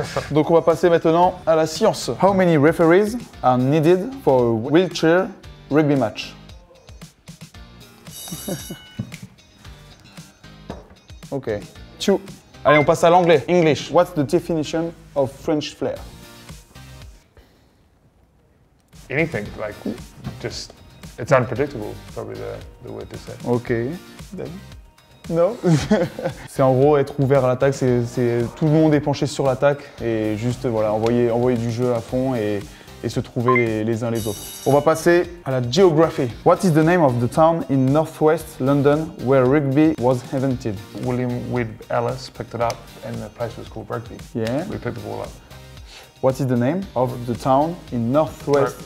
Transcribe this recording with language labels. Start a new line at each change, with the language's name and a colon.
French: Donc on va passer maintenant à la science.
English: How many referees are needed for a wheelchair rugby match? Ok. Two.
French: Allez, on passe à l'anglais.
English: English. What's the definition of French flair? Anything, like, just... It's unpredictable, probably the word to say. Ok. Then. No.
French: C'est en gros être ouvert à l'attaque, c'est tout le monde est penché sur l'attaque et juste voilà, envoyer du jeu à fond et se trouver les uns les autres. On va passer à la géographie.
English: What is the name of the town in northwest London where rugby was invented? William Webb Ellis picked it up and the place was called Rugby. Yeah. We picked the ball up. What is the name of the town in northwest